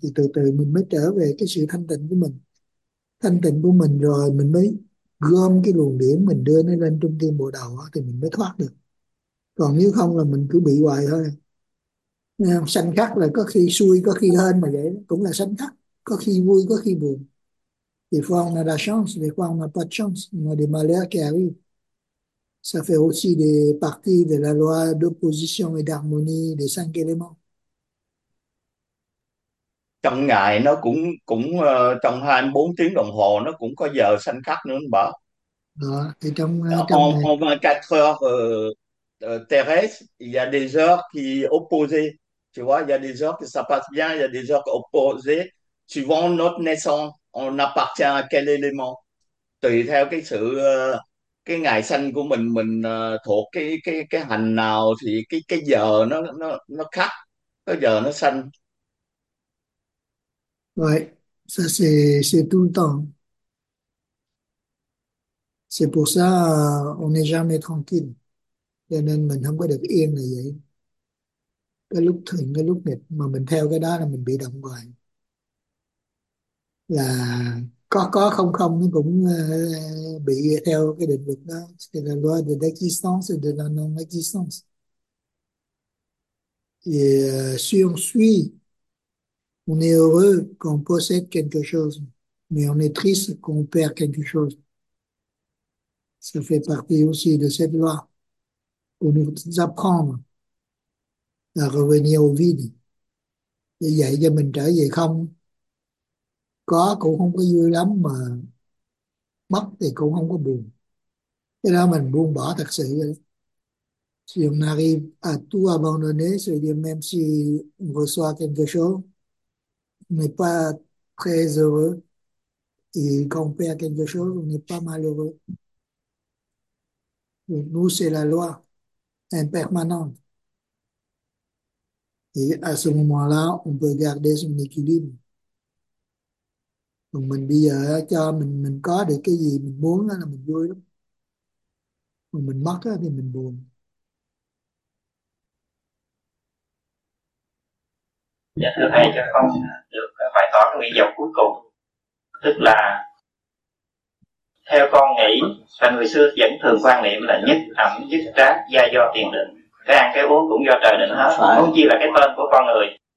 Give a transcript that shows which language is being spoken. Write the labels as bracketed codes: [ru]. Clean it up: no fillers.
[vi] Thì từ từ mình mới trở về cái sự thanh tịnh của mình. Thanh tịnh của mình rồi mình mới gom cái luồng điển mình đưa nó lên trung tâm bộ đầu đó, thì mình mới thoát được. Còn nếu không là mình cứ bị hoài thôi. Sanh khắc là có khi xui có khi hên, mà vậy cũng là sanh khắc, có khi vui có khi buồn. Thì phong là [fr] chance, [vi] thì phong là [fr] pas chance, [vi] mà để mà lấy cái gì [fr] ça fait aussi des parties de la loi d'opposition et d'harmonie des cinq éléments. [vi] Trong ngày nó cũng cũng trong 24 tiếng đồng hồ nó cũng có giờ sanh khắc nữa anh bảo. Đó, thì trong [fr] On [vi] trong ngày [fr] 24 heures terrestres, il y a des heures qui opposées. Tu vois, il y a des heures que ça passe bien, il y a des heures opposées. Suivant notre naissance, on appartient à quel élément? [vi] Tùy theo cái sự cái ngày sanh của mình thuộc cái hành nào thì cái giờ nó khắc, cái giờ nó sanh. [fr] Ouais, ça c'est tout le temps. C'est pour ça on n'est jamais tranquille. [vi] Cho nên mình không có được yên là vậy. Cái lúc thuận, cái lúc nghịch mà mình theo cái đó là mình bị động hoài. Là có không không nó cũng bị theo cái định luật đó. [fr] C'est la loi de l'existence et de la non-existence. Et si on suit, on est heureux qu'on possède quelque chose, mais on est triste qu'on perd quelque chose. Ça fait partie aussi de cette loi pour nous apprendre à revenir au vide. Et [vi] vậy cho mình trở về không, có cũng không có vui lắm, mà mất thì cũng không có buồn. Cái đó mình buông bỏ thật sự. [fr] Si on arrive à tout abandonner, c'est dire même si on reçoit quelque chose, n'est pas très heureux et quand on perd quelque chose, on n'est pas malheureux. Nous, c'est la loi impermanente. Et à ce moment-là, on peut garder son équilibre. Donc [vi] mình bây giờ cho mình có được cái gì mình muốn là mình vui lắm. Còn mình mất thì mình buồn. Dạ thưa thầy, cho con được bài toán nguyện vọng cuối cùng, tức là theo con nghĩ và người xưa vẫn thường quan niệm là nhất ẩm nhất trác gia do tiền định, cái ăn cái uống cũng do trời định hết, huống chi là cái tên của con người.